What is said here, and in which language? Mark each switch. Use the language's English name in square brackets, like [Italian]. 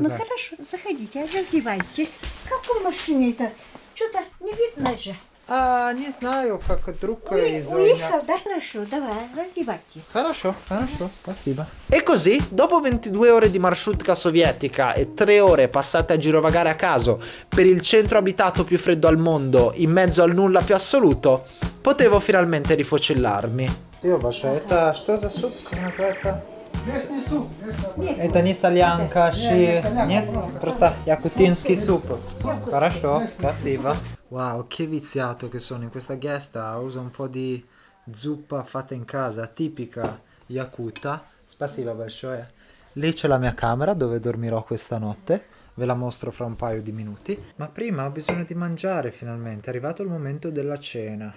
[Russian] Ну хорошо, заходите, раздевайте. Как у машины это? Что-то не видно же. Не знаю, как друг уехал, да, хорошо, давай, раздевайтесь. Хорошо, хорошо, спасибо. [Italian] E così, dopo 22 ore di marciutka sovietica e 3 ore passate a girovagare a caso per il centro abitato più freddo al mondo, in mezzo al nulla più assoluto, potevo finalmente rifocillarmi. Io bacio, [Russian] это что за суп, как называется? Несу. Это не солянка, ши. Нет, просто якутинский суп. Хорошо, спасибо. [Italian] Wow, che viziato che sono in questa guest house, un po' di zuppa fatta in casa, tipica yakuta. [Russian] Спасибо большое. [Italian] Lì c'è la mia camera dove dormirò questa notte, ve la mostro fra un paio di minuti. Ma prima ho bisogno di mangiare finalmente, è arrivato il momento della cena.